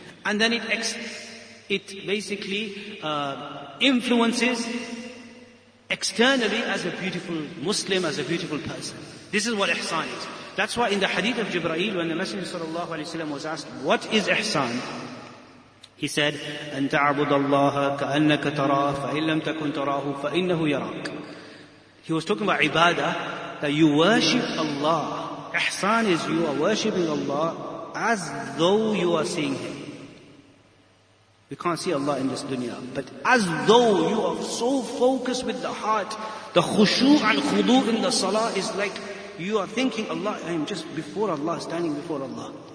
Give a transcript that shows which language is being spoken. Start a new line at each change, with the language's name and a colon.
English: And then it basically influences externally as a beautiful Muslim, as a beautiful person. This is what ihsan is. That's why in the hadith of Jibreel, when the Messenger sallallahu alayhi wa sallam was asked, what is ihsan? He said,
Arabic: أن تعبد الله كأنك تراه فإن لم تكن تراه فإنه يراك.
English: He was talking about ibadah, that you worship Allah. Ihsan is you are worshipping Allah as though you are seeing Him. We can't see Allah in this dunya, but as though you are so focused with the heart, the khushu' and khudu' in the salah is like you are thinking, Allah, I am just before Allah, standing before Allah.